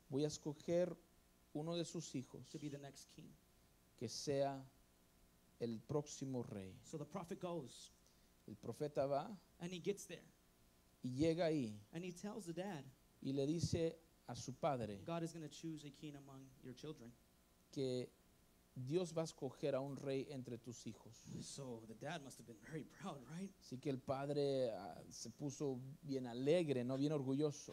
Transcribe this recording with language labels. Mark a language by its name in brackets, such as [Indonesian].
[Spanish] voy a escoger uno de sus hijos, [English] to be the next king, [Spanish] que sea el próximo rey. [English] So the prophet goes, [Spanish] el profeta va, [English] and he gets there, [Spanish] y llega ahí, [English] and he tells the dad, [Spanish] y le dice a su padre, [English] God is going to choose a king among your children, [Spanish] que Dios va a escoger a un rey entre tus hijos. [English] So the dad must have been very proud, right? [Spanish] Así que el padre se puso bien alegre, no, bien orgulloso.